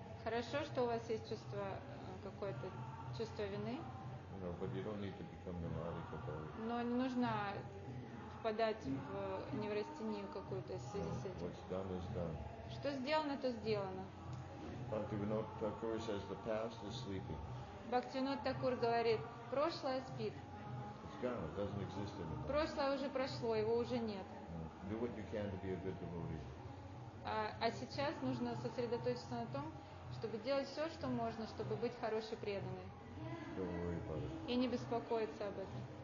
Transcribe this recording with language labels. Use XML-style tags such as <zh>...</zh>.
<ru>Хорошо, что у вас есть чувство какое-то чувство вины.</ru> <en>But you don't need to become neurotic about it.</en> <ru>Но не нужно впадать в неврастению какую-то в связи с этим.</ru> <en>What's done is done.</en> <ru>Что сделано, то сделано.</ru> <en>Bhaktivinoda Thakur says the past is sleeping.</en> <ru>Бхактивинода Такур говорит, прошлое спит.</ru> <en>It's gone, it doesn't exist anymore.</en> <ru>Прошлое уже прошло, его уже нет.</ru> <en>Do what you can to be a good devotee.</en> <ru>А сейчас нужно сосредоточиться на том, чтобы делать все, что можно, чтобы быть хорошей преданной. И не беспокоиться об этом.</ru>